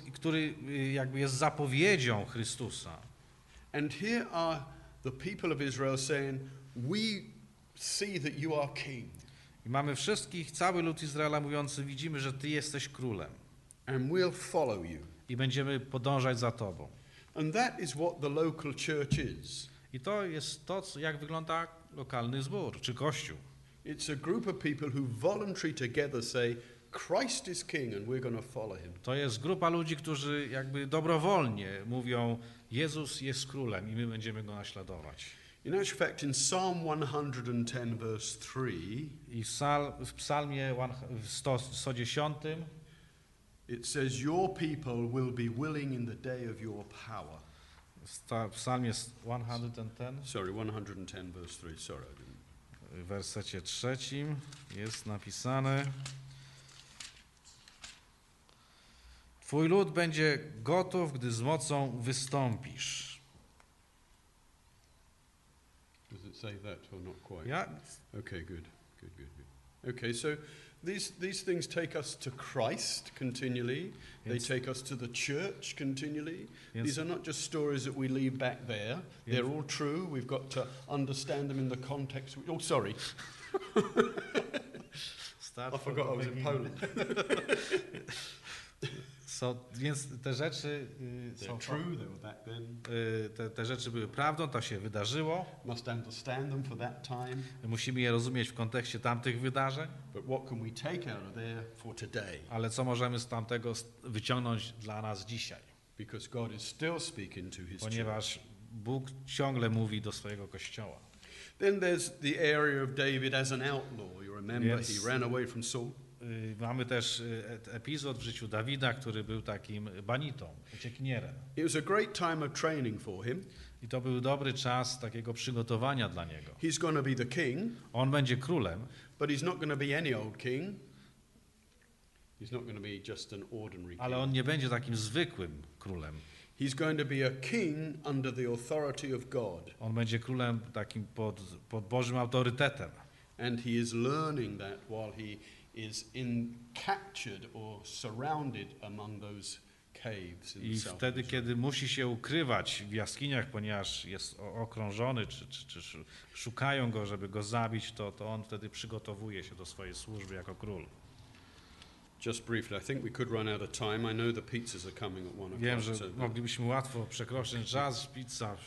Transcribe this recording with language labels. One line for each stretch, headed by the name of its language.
Polish: Który jakby jest zapowiedzią Chrystusa.
English: And here are the people of Israel saying, "We see that you are king."
Polish: I mamy wszystkich, cały lud Izraela mówiący, widzimy, że ty jesteś królem.
English: And we'll follow you.
Polish: I będziemy podążać za tobą.
English: And that is what the local church is.
Polish: I to jest to, jak wygląda lokalny zbór czy kościół.
English: It's a group of people who voluntarily together say, "Christ is king, and we're going to follow him."
Polish: To jest grupa ludzi, którzy jakby dobrowolnie mówią, Jezus jest królem i my będziemy go naśladować.
English: In actual fact, in Psalm 110, verse 3,
Polish: w Psalmie 110.
English: It says, "Your people will be willing in the day of your power." Psalm 110. Sorry, 110, verse 3. Sorry.
Polish: W wersecie trzecim jest napisane: Twój lud będzie gotów, gdy z mocą wystąpisz.
English: Does it say that or not quite? Yeah. Okay. Good. Good. Good. Good. Okay. So. These things take us to Christ continually.
Polish: Więc,
English: they take us to the church continually.
Polish: Więc,
English: these are not just stories that we leave back there.
Polish: Więc,
English: they're all true. We've got to understand them in the context. Oh, sorry. I forgot I was in Poland.
Polish: So, więc te rzeczy są
English: true, they were back then.
Polish: Te rzeczy były prawdą, to się wydarzyło.
English: Must understand them for that time.
Polish: Musimy je rozumieć w kontekście tamtych wydarzeń.
English: But what can we take out of there for today?
Polish: Ale co możemy z tamtego wyciągnąć dla nas dzisiaj?
English: Because God is still speaking to his
Polish: Ponieważ
English: church.
Polish: Bóg ciągle mówi do swojego kościoła.
English: Then there's the area of David as an outlaw. You remember he ran away from Saul.
Polish: Mamy też epizod w życiu Dawida, który był takim banitą, ucieknierem.
English: It was a great time of training for him.
Polish: I to był dobry czas takiego przygotowania dla niego.
English: He's gonna be the king.
Polish: On będzie królem.
English: But he's not gonna be any old king. He's not gonna be just an ordinary king.
Polish: Ale on nie będzie takim zwykłym królem.
English: He's going to be a king under the authority of God.
Polish: On będzie królem takim pod Bożym autorytetem.
English: And he is learning that while he is in captured or surrounded among those caves in
Polish: I
English: the
Polish: wtedy, kiedy musi się ukrywać w jaskiniach, ponieważ jest okrążony, czy szukają go, żeby go zabić, to on wtedy przygotowuje się do swojej służby jako król.
English: Just briefly, I think we could run out of time. I know the pizzas are coming at 1 o'clock.
Polish: Wiem, że moglibyśmy łatwo przekroczyć czas, pizza.